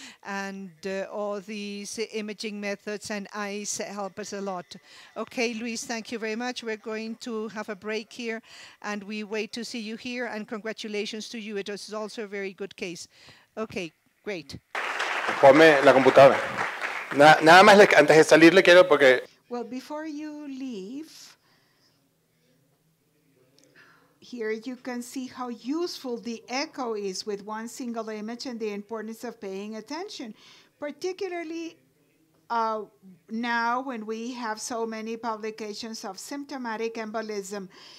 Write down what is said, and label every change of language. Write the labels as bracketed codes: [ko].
[en] And all these imaging methods and ICE help us a lot. Okay, Luis, thank you very much. We're going to have a break here, and we wait to see you here. And congratulations to you. It was also a very good case. Okay, great. [es] Ponme la computadora. Nada más antes de salir le quiero porque... [en] Well, before you leave, here you can see how useful the echo is with one single image and the importance of paying attention, particularly now when we have so many publications of symptomatic embolism.